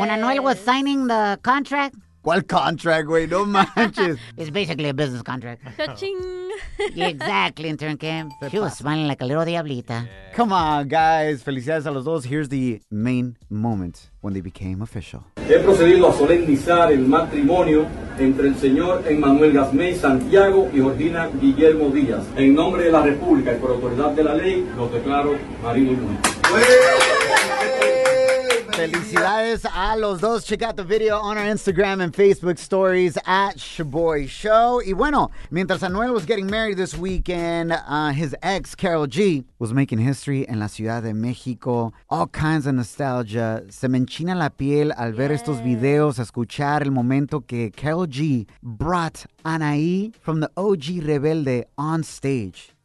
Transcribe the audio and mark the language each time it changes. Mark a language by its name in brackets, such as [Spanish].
[English] When Anuel was signing the contract? What contract, [Spanish] güey? No manches. [English] It's basically a business contract. Cha-ching. Exactly, intern camp. She was smiling like a little diablita. Yeah. Come on, guys. [Spanish] Felicidades a los dos. [English] Here's the main moment when they became official. [Spanish] He procedido a solemnizar el matrimonio entre el señor Emmanuel Gasmey Santiago y Jordina Guillermo Díaz. En nombre de la República y por autoridad de la ley, los declaro marido y mujer. Felicidades a los dos. [English] Check out the video on our Instagram and Facebook stories at Shaboy Show. [Spanish] Y bueno, mientras [English] Anuel was getting married this weekend, his ex, Karol G, was making history [Spanish] en la Ciudad de México. [English] All kinds of nostalgia. [Spanish] Se me enchina la piel al ver estos videos, escuchar el momento que Karol G [English] brought Anaí from the OG Rebelde on stage.